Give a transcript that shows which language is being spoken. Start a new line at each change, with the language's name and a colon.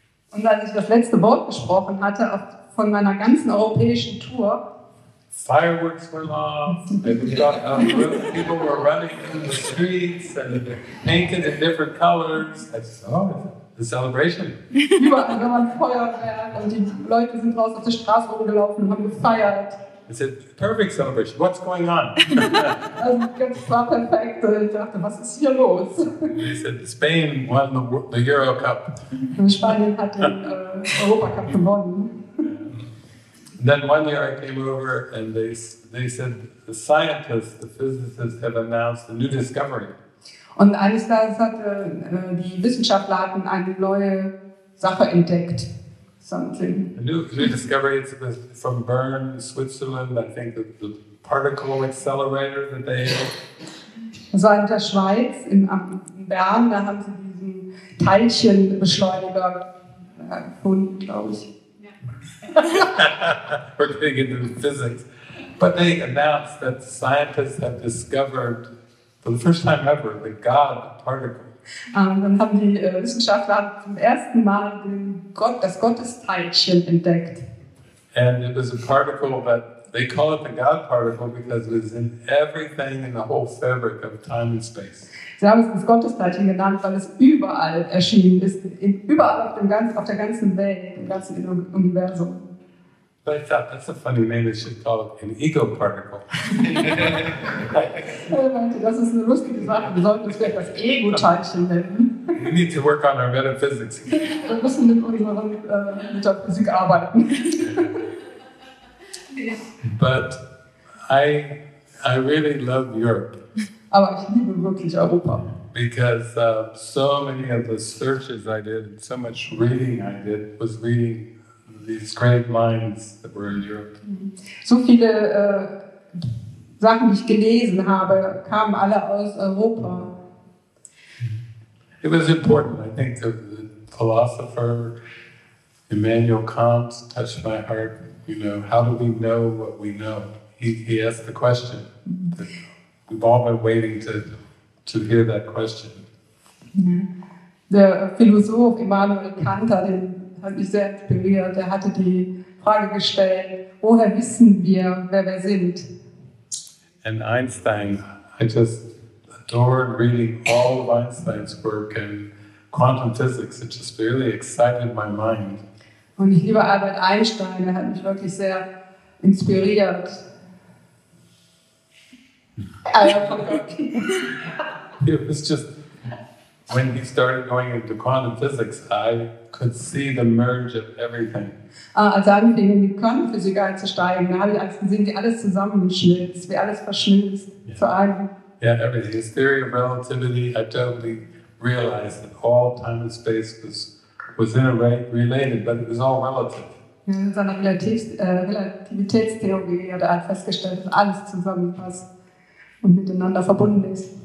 German: Und als ich das letzte Wort gesprochen hatte von meiner ganzen europäischen Tour.
English: Fireworks went off, and people were running in the streets and painted in different colors. I saw it. The celebration.
German: Überall war ein Feuerwerk und die Leute sind draußen auf der Straße rumgelaufen und haben gefeiert.
English: It's a perfect celebration. What's going on?
German: Das war perfekt. Und ich dachte, was ist hier los?
English: He said, Spain won the Euro Cup.
German: Und Spanien hat den Europacup gewonnen.
English: Then one year I came over and they said, the scientists, the physicists have announced a new discovery.
German: Und eines Tages hatte die Wissenschaftler hatten eine neue Sache entdeckt.
English: Something. A new discovery from Bern, Switzerland, I think the particle accelerator that they have.
German: Das war in der Schweiz, in Bern, da haben sie diesen Teilchenbeschleuniger gefunden, glaube ich.
English: Yeah. We're getting into the physics. But they announced that scientists have discovered. For the first time ever, the God particle.
German: Dann haben die Wissenschaftler zum ersten Mal das Gottesteilchen entdeckt.
English: And it was a particle that they call it the God particle because it is in everything in the whole fabric of time and space.
German: Sie haben es das Gottesteilchen genannt, weil es überall erschienen ist, überall auf der ganzen Welt, im ganzen Universum.
English: But I thought, that's a funny name, they should call it an ego particle.
German: Das ist eine lustige Sache, wir sollten es vielleicht das Ego-Teilchen nennen.
English: We need to work on our metaphysics.
German: Wir müssen mit unserer Metaphysik arbeiten.
English: But I really love Europe.
German: Aber ich liebe wirklich Europa.
English: Because so many of the searches I did, so much reading I did, was reading these great minds that were in Europe.
German: So viele Sachen, die ich gelesen habe, kamen alle aus Europa.
English: It was important. I think the philosopher Immanuel Kant touched my heart. You know, how do we know what we know? He asked the question. We've all been waiting to hear that question.
German: Der Philosoph Immanuel Kant hat mich sehr inspiriert. Er hatte die Frage gestellt, woher wissen wir, wer wir sind?
English: And Einstein, I just adored reading all of Einstein's work and quantum physics. It just really excited my mind.
German: Und ich liebe Albert Einstein. Er hat mich wirklich sehr inspiriert.
English: It was just, when he started going into quantum physics, I could see the merge of everything.
German: Als er anfing, in die Quantenphysik einzusteigen, habe ich alles gesehen, wie alles zusammenschmilzt, wie alles verschmilzt, yeah. Zu einem.
English: Yeah, everything. His theory of relativity, I totally realized that all time and space was interrelated, but it was all relative.
German: In seiner Relativitätstheorie hat er festgestellt, dass alles zusammenpasst und miteinander verbunden ist.